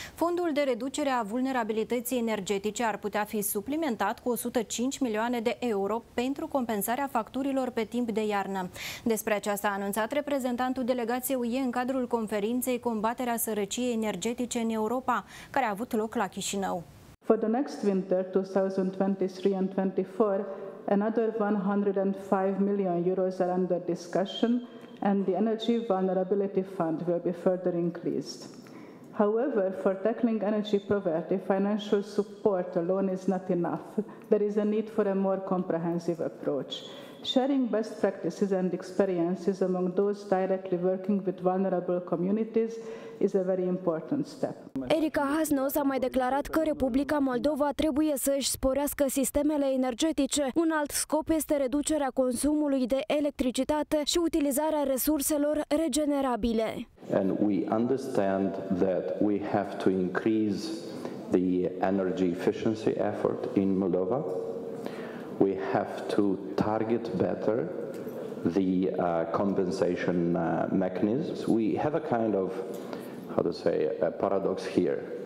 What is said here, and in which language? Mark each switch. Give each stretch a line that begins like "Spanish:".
Romanian: Fondul de reducere a vulnerabilității energetice ar putea fi suplimentat cu 105 milioane de euro pentru compensarea facturilor pe timp de iarnă. Despre aceasta a anunțat reprezentantul delegației UE în cadrul conferinței Combaterea sărăciei energetice în Europa, care a avut loc la Chișinău.
English: For the next winter 2023-24, another 105 million euros are under discussion, and the Energy Vulnerability Fund will be further increased. However, for tackling energy poverty, financial support alone is not enough. There is a need for a more comprehensive approach. Sharing best practices and experiences among those directly working with vulnerable communities is a very important step.
Romanian: Erica Hasnos a mai declarat că Republica Moldova trebuie să își sporească sistemele energetice. Un alt scop este reducerea consumului de electricitate și utilizarea resurselor regenerabile.
English: And we understand that we have to increase the energy efficiency effort in Moldova. We have to target better the compensation mechanisms. We have a kind of, a paradox here.